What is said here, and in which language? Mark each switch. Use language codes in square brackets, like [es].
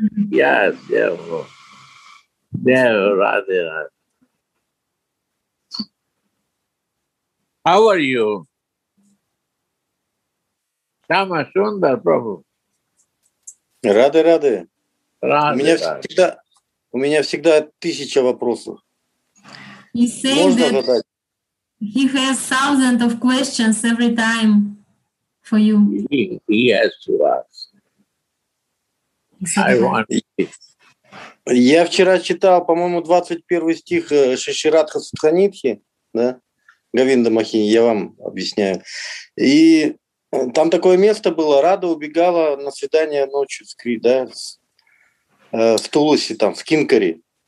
[en] Yes, Devo. Devo, Radhe, Radhe. How are you? Shyamasundara Prabhu. Radhe, Radhe. Radhe, [ru] у меня всегда тысяча вопросов. Можно задать? [en] He has thousands of questions every time for you. He has to ask. I want it. [ru] Я вчера читал, по-моему, 21 стих Шиширадха Сутханидхи, да, Говинда Махини, я вам объясняю. И там такое место было, Рада убегала на свидание ночью с Кри, да, в Тулусе, там, в Кинкари.